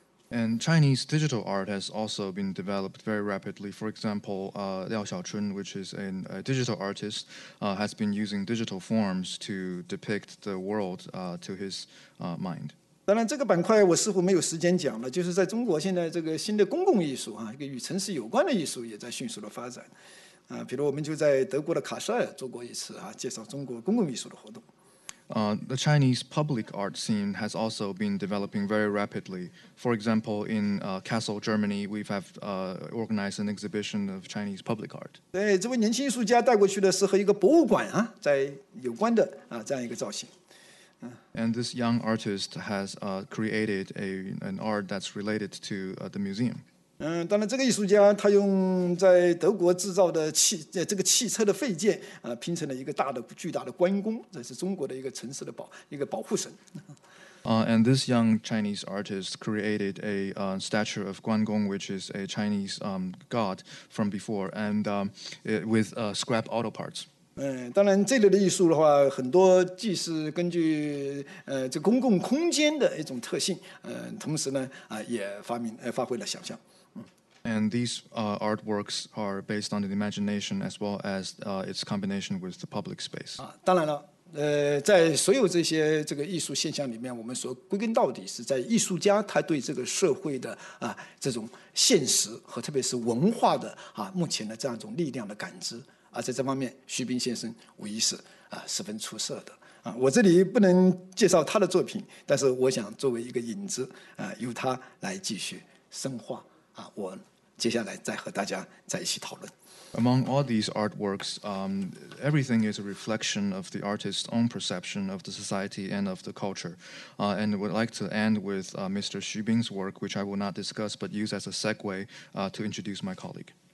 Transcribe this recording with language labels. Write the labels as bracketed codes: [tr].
[en] And Chinese digital art has also been developed very rapidly. For example, Liao Xiaochun, which is a digital artist, has been using digital forms to depict the world to his mind. [zh] 当然，这个板块我似乎没有时间讲了。就是在中国，现在这个新的公共艺术啊，一个与城市有关的艺术也在迅速的发展。比如我们就在德国的卡塞尔做过一次介绍中国公共艺术的活动。 [en] The Chinese public art scene has also been developing very rapidly. For example, in Kassel, Germany, we have organized an exhibition of Chinese public art. [zh] 对，这位年轻艺术家带过去的是和一个博物馆啊，在有关的啊这样一个造型。 [en] And this young artist has created an art that's related to the museum. [zh] 当然这个艺术家他用在德国制造的这个汽车的废件拼成了一个大的巨大的关公，这是中国的一个城市的一个保护神。 [en] And this young Chinese artist created a statue of Guan Gong, which is a Chinese god from before, and with scrap auto parts. [zh] 当然这类的艺术的话，很多既是根据这公共空间的一种特性，同时呢也发挥了想象。 [en] And these artworks are based on the imagination as well as its combination with the public space. [zh] 当然了，在所有这些这个艺术现象里面，我们所归根到底是在艺术家他对这个社会的这种现实和特别是文化的目前的这样一种力量的感知。在这方面，徐冰先生无疑是十分出色的。我这里不能介绍他的作品，但是我想作为一个引子由他来继续深化。我接下来再和大家在一起讨论。 [en] Among all these artworks, everything is a reflection of the artist's own perception of the society and of the culture. And would like to end with Mr. Xu Bing's work, which I will not discuss but use as a segue to introduce my colleague.